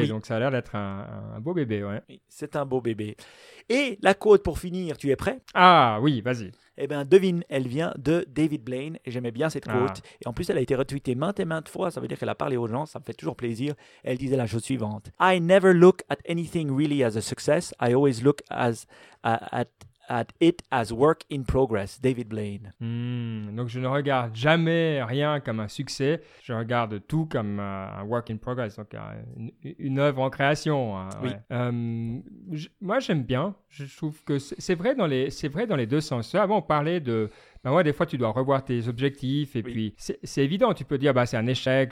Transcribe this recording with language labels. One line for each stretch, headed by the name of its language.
French: Oui. Donc ça a l'air d'être un beau bébé. Ouais. Oui, c'est un beau bébé. Et la côte, pour finir, tu es prêt? Ah oui, vas-y. Eh bien, devine, elle vient de David Blaine. J'aimais bien cette côte. Et en plus, elle a été retweetée maintes et maintes fois. Ça veut dire qu'elle a parlé aux gens. Ça me fait toujours plaisir. Elle disait la chose suivante.
English: I never look at anything really as a success. I always look at it as work in progress. David Blaine.
French: Donc, je ne regarde jamais rien comme un succès. Je regarde tout comme un
English: work in progress.
French: Donc, une œuvre en création. Ouais. Oui. Moi, j'aime bien. Je trouve que c'est vrai dans les deux sens. Avant, on parlait de... des fois, tu dois revoir tes objectifs. Et puis, c'est évident. Tu peux dire, c'est un échec.